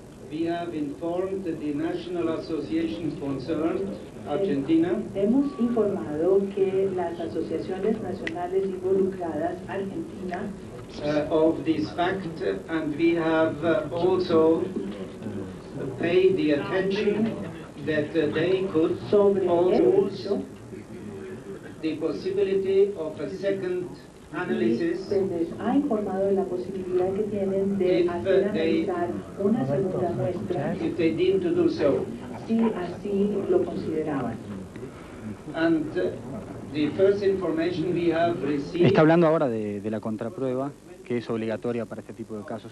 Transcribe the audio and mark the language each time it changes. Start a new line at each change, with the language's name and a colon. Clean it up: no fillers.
English: We have informed the national association concerned, Argentina.
Spanish: Hemos informado que las asociaciones nacionales involucradas, Argentina,
English: of this fact, and we have also paid the attention that they could also the possibility of a second analysis.
Spanish: Ha informado de la posibilidad que tienen de analizar una segunda muestra
English: if they deem to do so.
Spanish: Si así lo consideraban.
English: And the first information we have received.
Spanish: Está hablando ahora de la contraprueba, que es obligatoria para este tipo de casos.